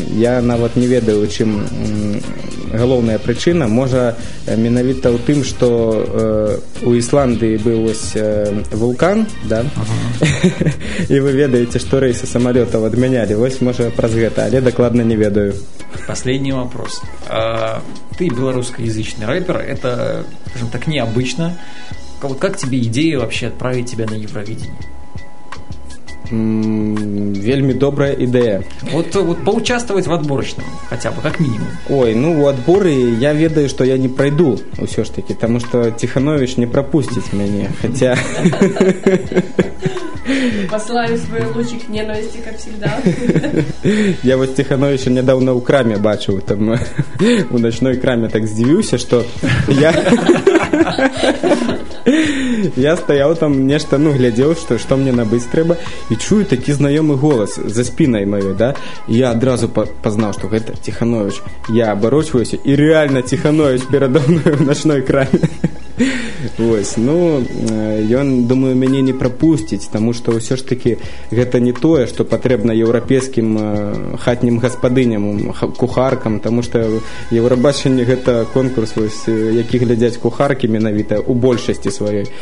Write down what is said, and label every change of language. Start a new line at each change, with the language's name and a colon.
Belarusian: Я нават не ведаю, чым галоўная прычына. Можа, менавіта ў тым, што у Ісландыі быў вулкан, да? Ага. І вы ведаеце, што рэйсы самалётаў адмянялі. Вось, можа, праз гэта, але дакладна не ведаю.
Russian: Последний вопрос. Ты беларускаязычны рэпер, это, скажем так, необычно. Вот как тебе идея вообще отправить тебя на Евровидение? Вельми добрая идея. Вот поучаствовать в отборочном, хотя бы, как минимум. Ой, ну, у отборы я ведаю, что я не пройду все ж таки, потому что Тиханович не пропустит меня, хотя... Посылаю свой лучик ненависти, как всегда. Я вот Тихановича недавно у краме бачу, там, у ночной краме так сдивился, что я...
Belarusian: Я стаяў там нешта, ну, глядзеў, што мне набыць трэба, і чую такі знаёмы голас за спінай маёй, да? І я адразу пазнаў, што гэта Ціхановіч. Я абарочваюся, і рэальна Ціхановіч перада мною ў начной краме. Вось, ну, ён, думаю, мяне не прапусціць, таму што ўсё ж такі гэта не тое, што патрэбна еўрапейскім хатнім гаспадыням, кухаркам, таму што Еўрабачанне гэта конкурс, вось, які глядзяць кухаркі менавіта ў большасці сваёй.